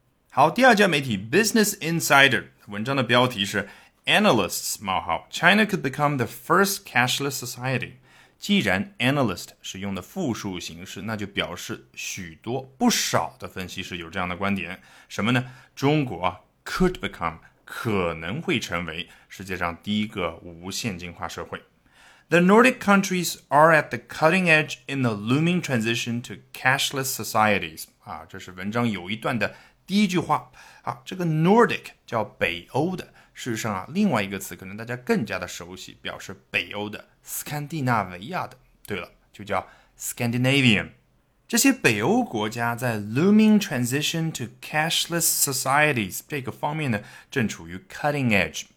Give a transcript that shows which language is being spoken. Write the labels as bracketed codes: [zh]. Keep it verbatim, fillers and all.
[zh] 好，第二家媒体 Business Insider， 文章的标题是 Analysts 冒号 [en] China could become the first cashless society。 [zh] 既然 analyst 是用的复数形式，那就表示许多、不少的分析师有这样的观点，什么呢？中国 [en] could become [zh] 可能会成为世界上第一个无现金化社会。 [en] The Nordic countries are at the cutting edge in the looming transition to cashless societies. [zh] 啊，这是文章有一段的第一句话。啊，这个 Nordic 叫北欧的，事实上啊，另外一个词可能大家更加的熟悉，表示北欧的斯堪的纳维亚的。对了，就叫 Scandinavian。这些北欧国家在 [en] looming transition to cashless societies [zh] 这个方面呢，正处于 cutting edge。